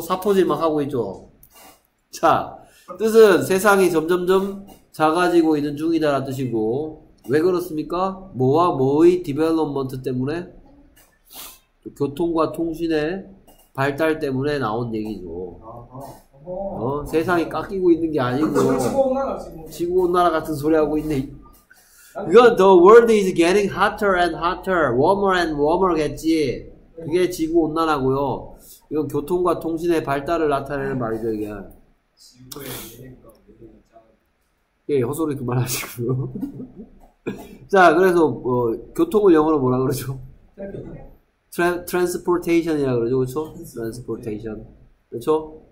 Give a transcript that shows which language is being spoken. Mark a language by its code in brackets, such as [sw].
[ko] 사포질 막 하고 있죠. 자, 뜻은 세상이 점점점 작아지고 있는 중이다라는 뜻이고. 왜 그렇습니까? 뭐와 뭐의 디벨롭먼트 때문에? 교통과 통신의 발달 때문에 나온 얘기죠. 세상이 깎이고 있는 게 아니고. 지구 온난화 같은 소리 하고 있네. [en] Because the world is getting hotter and hotter, warmer and warmer겠지. [ko] 그게 지구 온난화고요. 이건 교통과 통신의 발달을 나타내는 말이죠, 이게. 예, 헛소리 그만하시고요. 자, 그래서 뭐 교통을 영어로 뭐라 그러죠? Transportation이라고 그러죠, 그렇죠? Transportation, 그렇죠?